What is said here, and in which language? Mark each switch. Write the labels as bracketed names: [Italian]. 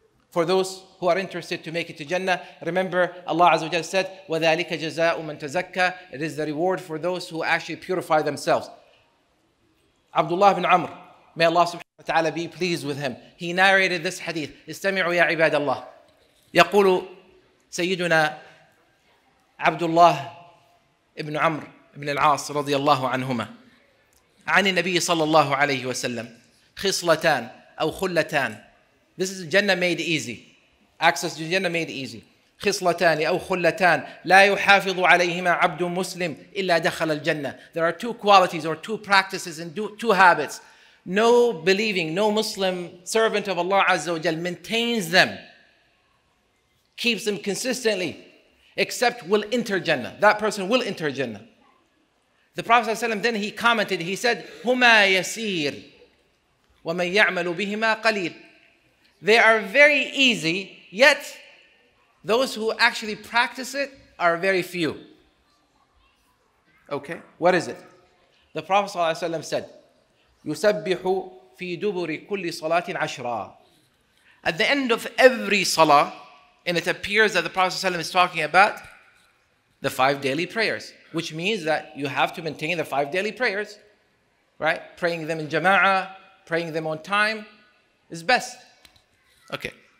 [English] For those who are interested to make it to Jannah, remember Allah Azza wa Jalla said, [Arabic] وَذَٰلِكَ جَزَاءُ مَنْ تَزَكَّى. [English] It is the reward for those who actually purify themselves. Abdullah ibn Amr, may Allah subhanahu wa ta'ala be pleased with him, he narrated this hadith. [Arabic] استمعوا يا عباد الله. يقول سيدنا عبد الله ابن عمر ابن العاص رضي الله عنهما عن النبي صلى الله عليه وسلم خصلتان أو خلتان. [English] This is Jannah made easy. Access to Jannah made easy. [Arabic] خصلتان أو خلتان لا يحافظ عليهما عبد مسلم إلا دخل الجنة. [English] There are two qualities or two practices and two habits. No believing, no Muslim servant of Allah Azza wa Jal maintains them, keeps them consistently, except will enter Jannah. That person will enter Jannah. The Prophet ﷺ, then he commented, he said, [Arabic] هُمَا يَسِير وَمَن يَعْمَلُ بِهِمَا قَلِيرٌ. [English] They are very easy, yet those who actually practice it are very few. Okay, what is it? The Prophet ﷺ said, [Arabic] يُسَبِّحُ فِي دُبُرِ كُلِّ صَلَاةٍ عَشْرًا. [English] At the end of every salah, and it appears that the Prophet ﷺ is talking about the five daily prayers, which means that you have to maintain the five daily prayers, right? Praying them in jama'ah, praying them on time is best. Okay.